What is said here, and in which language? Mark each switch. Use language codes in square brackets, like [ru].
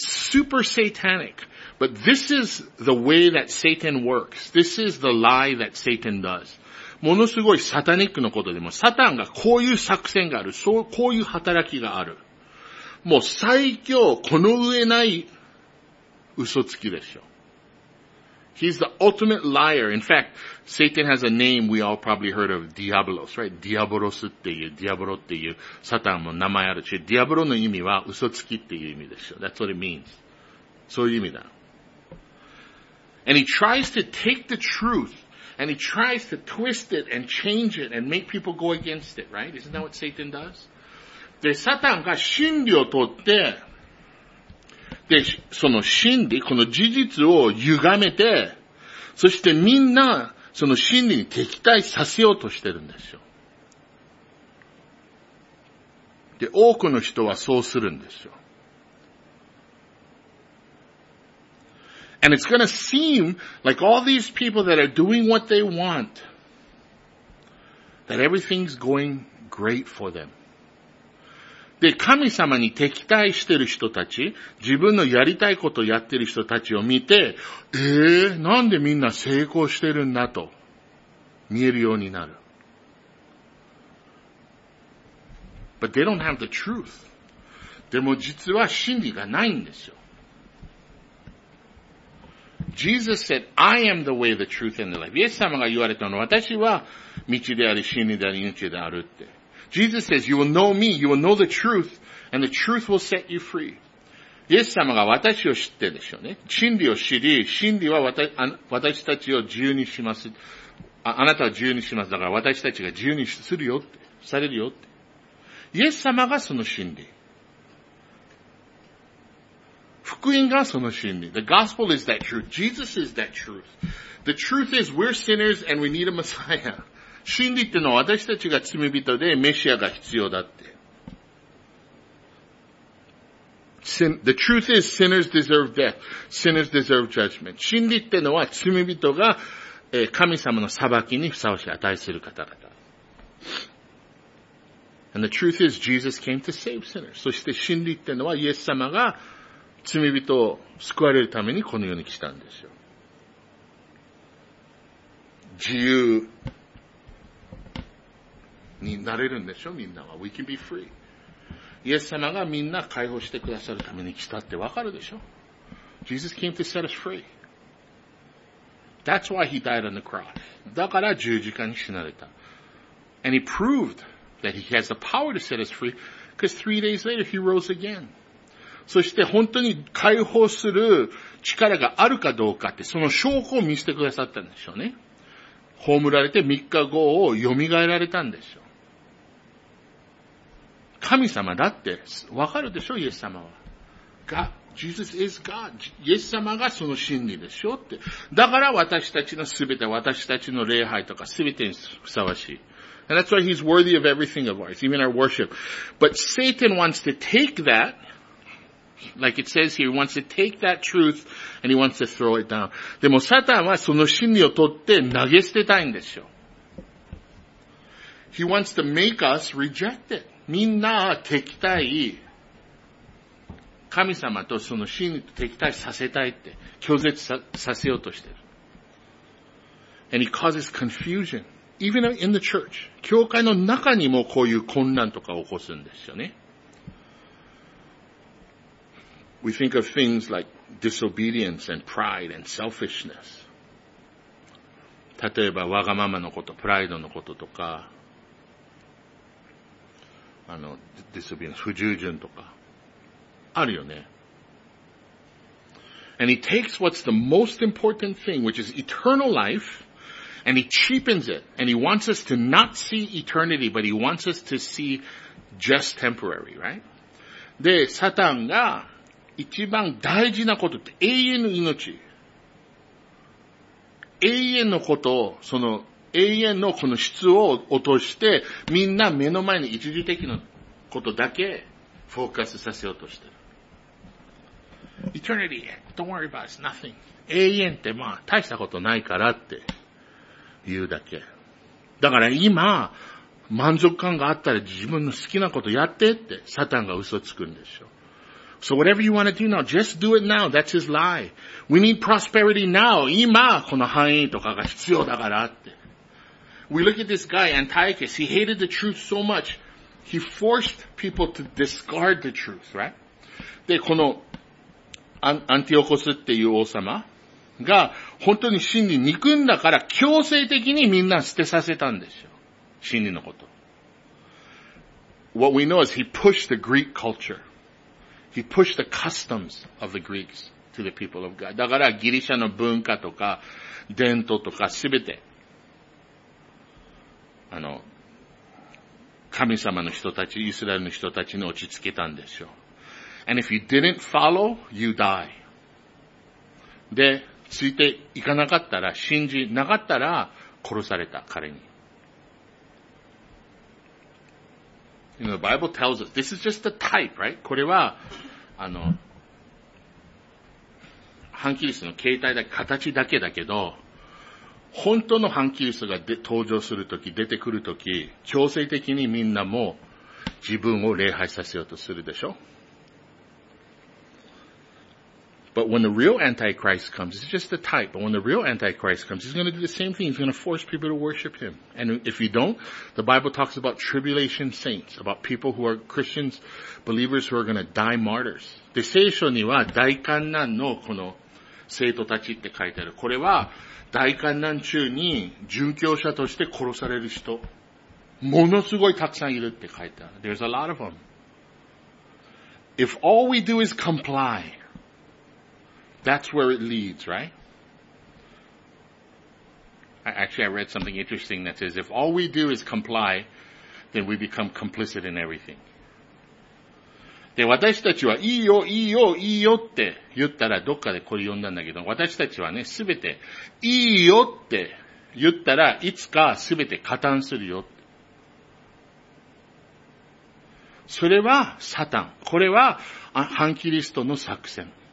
[en] It's super satanic, but this is the way that Satan works. This is the lie that Satan does. [ja] ものすごいサタニックのことでも、サタンがこういう作戦がある、そう、こういう働きがある。もう最強、この上ない嘘つきでしょ。 [en] He's the ultimate liar. In fact, Satan has a name we all probably heard of, Diabolos, right? [ja] Diabolos っていう、ディアボロっていう、サタンも名前あるし、ディアボロの意味は嘘つきっていう意味でしょ。 [en] That's what it means. [ja] そういう意味だ。 [en] And he tries to take the truth, and he tries to twist it and change it and make people go against it, right? Isn't that what Satan does? [ja] で、サタンが真理をとって、で、その真理、この事実を歪めて、そしてみんな、その真理に敵対させようとしてるんですよ。で、多くの人はそうするんですよ。 [en] And it's gonna seem like all these people that are doing what they want, that everything's going great for them. [ja] で、神様に敵対してる人たち、自分のやりたいことをやってる人たちを見て、なんでみんな成功してるんだと、見えるようになる。 [en] But they don't have the truth. [ja] でも実は真理がないんですよ。 [en] Jesus said, I am the way, the truth, and the life. [ja] イエス様が言われたのは、私は道であり、真理であり、命であるって。 [en] Jesus says, you will know me, you will know the truth, and the truth will set you free. [ja] イエス様が私を知ってでしょうね。真理を知り、真理は私たちを自由にします。あなたは自由にします。だから私たちが自由にするよって、されるよって。イエス様がその真理。福音がその真理。 [en] The gospel is that truth. Jesus is that truth. The truth is, we're sinners and we need a Messiah. [ja] 真理ってのは私たちが罪人でメシアが必要だって。 [en] The truth is sinners deserve death. Sinners deserve judgment. [ja] 真理ってのは罪人が神様の裁きにふさわしい値する方々。 [en] And the truth is Jesus came to save sinners. [ja] そして真理ってのはイエス様が罪人を救われるためにこの世に来たんですよ。自由。になれるんでしょみんなは。 [en] We can be free. [ja] イエス様がみんな解放してくださるために来たってわかるでしょ ? [en] Jesus came to set us free. That's why he died on the cross. [ja] だから十字架に死なれた。 [en] And he proved that he has the power to set us free because 3 days later he rose again. [ja] そして本当に解放する力があるかどうかってその証拠を見せてくださったんでしょうね。葬られて3日後を蘇られたんでしょ神様だって、わかるでしょ、イエス様は。 [en] Jesus is God. [ja] イエス様がその真理でしょって。だから私たちのすべて、私たちの礼拝とかすべてにふさわしい。 [en] And that's why he's worthy of everything of ours, even our worship. But Satan wants to take that, like it says here, he wants to take that truth and he wants to throw it down. [ja] でもサタンはその真理を取って投げ捨てたいんですよ。 [en] He wants to make us reject it. [ja] みんな敵対、神様とその真理と敵対させたいって、拒絶させようとしてる。 [en] And he causes confusion, even in the church. [ja] 教会の中にもこういう混乱とか起こすんですよね。 [en] We think of things like disobedience and pride and selfishness. [ja] 例えばわがままのこと、プライドのこととか、あの、不従順とか、あるよね。 [en] And he takes what's the most important thing, which is eternal life, and he cheapens it, and he wants us to not see eternity, but he wants us to see just temporary, right? [ja] で、サタンが一番大事なことって永遠の命。永遠のことを、その永遠のこの質を落として、みんな目の前に一時的なことだけフォーカスさせようとしてる。 [en] Eternity, don't worry about it, nothing. [ja] 永遠ってまあ大したことないからって言うだけ。だから今満足感があったら自分の好きなことやってってサタンが嘘つくんでしょ。 [en] So whatever you want to do now, just do it now. That's his lie. We need prosperity now. [ja] 今この繁栄とかが必要だからって。 [en] We look at this guy Antiochus. He hated the truth so much. He forced people to discard the truth, right? [ja] でこのアンティオコスっていう王様が本当に真理憎んだから強制的にみんな捨てさせたんですよ。真理のこと。 [en] What we know is he pushed the Greek culture. He pushed the customs of the Greeks to the people of God. [ja] だからギリシャの文化とか伝統とかすべて、あの、神様の人たち、イスラエルの人たちに落ち着けたんですよ。 [en] And if you didn't follow, you die. [ja] で、ついていかなかったら、信じなかったら、殺された、彼に。 [en] You know, the Bible tells us, this is just a type, right? [ja] これは、あの、ハンキリストの形態だ、形だけだけど、本当のハンキリストが登場するとき、出てくるとき、強制的にみんなも自分を礼拝させようとするでしょ？ [en] But when the real Antichrist comes, it's just a type. But when the real Antichrist comes, he's going to do the same thing. He's going to force people to worship him. And if you don't, the Bible talks about tribulation saints, about people who are Christians, believers who are going to die martyrs. [ja] で、聖書には大患難のこの生徒たちって書いてある。これは大患難中に殉教者として殺される人、ものすごいたくさんいるって書いてある。 [en] There's a lot of them. If all we do is comply,That's where it leads, right? Actually, I read something interesting that says, if all we do is comply, then we become complicit in everything. [ja] で、私たちはいいよ、いいよ、いいよって言ったら、どっかでこれ読んだんだけど、私たちはね、すべて、いいよって言ったらいつかすべて加担するよ。それはサタン。これは反キリストの作戦。